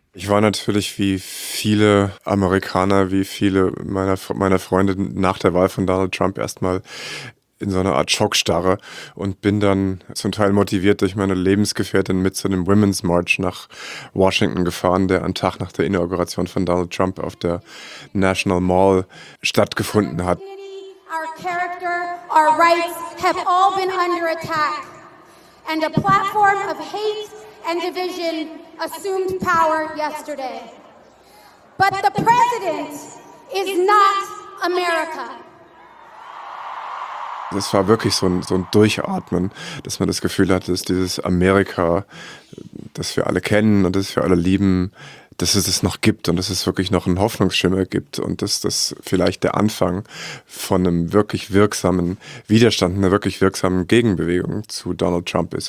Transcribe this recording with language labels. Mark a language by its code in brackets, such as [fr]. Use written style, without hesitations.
[de] Ich war natürlich wie viele Amerikaner, wie viele meiner Freunde nach der Wahl von Donald Trump erstmal in so einer Art Schockstarre und bin dann zum Teil motiviert durch meine Lebensgefährtin mit zu einem Women's March nach Washington gefahren, der am Tag nach der Inauguration von Donald Trump auf der National Mall stattgefunden hat. [en] Our character, our rights have all been under attack, and a platform of hate and division assumed power yesterday. But the president is not America. [de] Das war wirklich so ein Durchatmen, dass man das Gefühl hatte, dass dieses Amerika, das wir alle kennen und das wir alle lieben, dass es noch gibt und dass es wirklich noch einen Hoffnungsschimmer gibt und dass das vielleicht der Anfang von einem wirklich wirksamen Widerstand, einer wirklich wirksamen Gegenbewegung zu Donald Trump ist.